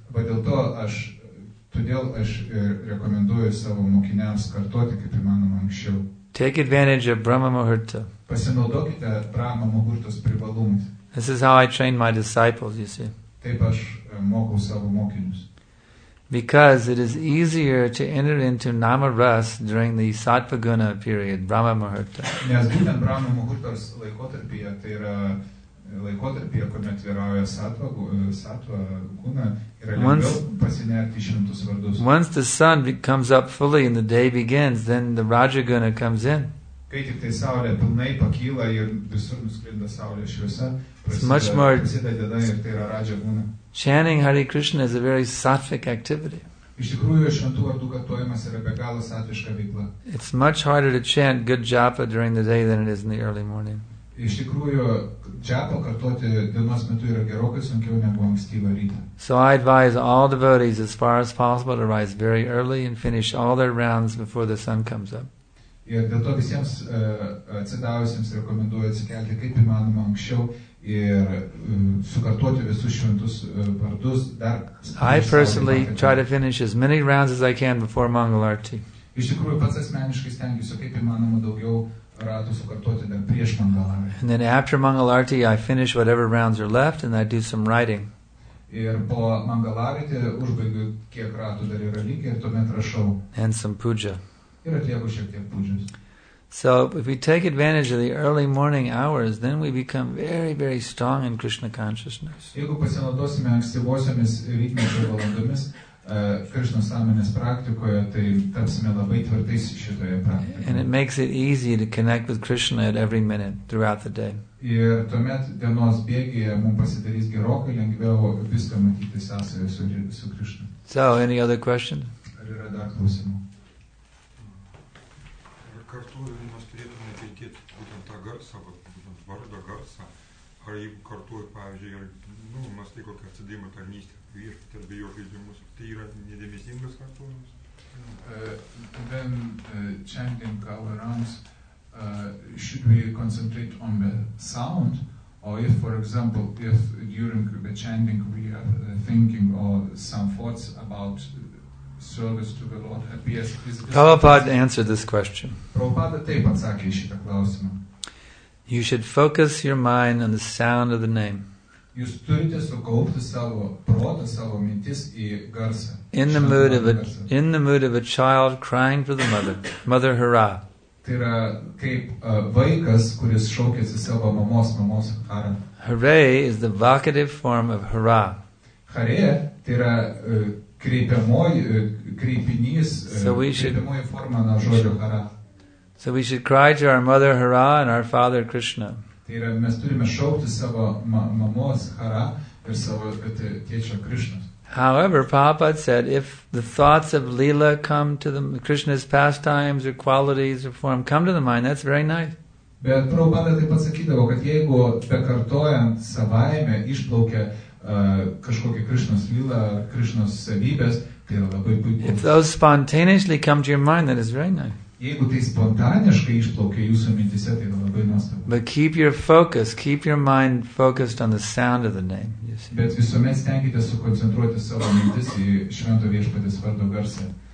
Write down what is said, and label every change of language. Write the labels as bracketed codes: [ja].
[lt] Bet dėl to aš todėl aš rekomenduoju savo mokiniams kartoti, kaip įmanoma anksčiau. [en] Take advantage of Brahma Muhurta. [lt] Pasinaudokite Brahma Muhurtos privalumais. [en] This is how I train my disciples, you see. [lt] Taip aš mokau savo mokinius. [en] Because it is easier to enter into Namaras during the Satvaguna period, Brahma Muhurta. [lt] Nes būtent Brahma Muhurtos laikotarpyje, tai yra laikotarpyje, kuomet vyrauja Satvaguna, yra lengviau pasinerti šventus vardus. [en] Once the sun comes up fully and the day begins, then the Rajaguna comes in. [lt] Kai tik tai saulė pilnai pakyla ir visur nusklinda saulė šviesa, prasideda diena ir tai yra Rajaguna. [en] Chanting Hare Krishna is a very sattvic activity. [lt] Iš tikrųjų, šventų vardų kartojimas yra be galo sattviška veikla. [en] It's much harder to chant good japa during the day than it is in the early morning. [lt] Iš tikrųjų, japa kartoti dienos metu yra gerokai sunkiau negu ankstyvą rytą. [en] So I advise all devotees as far as possible to rise very early and finish all their rounds before the sun comes up. [lt] Ir dėl to visiems atsidavusiems rekomenduoju atsikelti kaip įmanoma anksčiau ir sukartoti visus šventus vardus dar. [en] I personally try to finish as many rounds as I can before Mangal Arti. [lt] Iš tikrųjų, pats asmeniškai stengiuosi kaip įmanoma daugiau ratų sukartoti dar prieš Mangal Arti. [en] And then after Mangal Arti, I finish whatever rounds are left and I do some writing. [lt] Ir po Mangal Arti užbaigiu kiek ratų dar yra likę ir tuomet rašau. [en] And some puja. [lt] Ir atlieku šiek tiek pujas. [en] So if we take advantage of the early morning hours, then we become very, very strong in Krishna consciousness. [lt] Jeigu pasinaudosime ankstyvosiomis rytmečio valandomis Krishna sąmonės praktikoje, tai tapsime labai tvirtais šitoje praktikoje. [en] And it makes it easy to connect with Krishna at every minute throughout the day. [lt] Ir tuomet dienos bėgyje mums pasidarys gerokai lengviau viską matyti sąsąją su Krishna. [en] So, any other question? [lt] Ar yra dar klausimų? Kartu mes turėtume girdėti būtent tą garsą, būtent vardo garsą, ar jeigu kartu, pavyzdžiui, ir, nu, mes tai kokią atsidėjimą tarnystę, viešpatį ar be jokio įdėmus, tai yra nedėmesingas kartuojimas? [en] When chanting our rounds, should we concentrate on the sound? Or if, for example, if during the chanting we are thinking or some thoughts about service to the Lord appears. Prabhupada answered this question. [lt] Prabhupada taip atsakė į šitą klausimą. [en] You should focus your mind on the sound of the name. [lt] Jūs turite sukaupti savo protą, savo mintis į garsą. [en] In the mood of a child crying for the mother. Mother hara. [lt] Tai yra kaip vaikas, kuris šaukiasi savo mamos hara. [en] Hare is the vocative form of hara. [lt] Hare, tai yra kreipiamoji forma nuo žodžio hara. [en] So we should cry to our mother hara and our father Krishna. [lt] Tai yra, mes turime šaukti savo mamos hara ir savo tėčio Krishna. [en] However, Prabhupada said, if the thoughts of Leela come to the Krishna's pastimes or qualities or form come to the mind, that's very nice. [lt] Bet Prabhupada taip pasakydavo, kad jeigu pekartojant savaime išplaukia kažkokia Krishnos lyla, Krishnos savybės, [en] If those spontaneously come to your mind, that is very nice. But keep your focus, keep your mind focused on the sound of the name.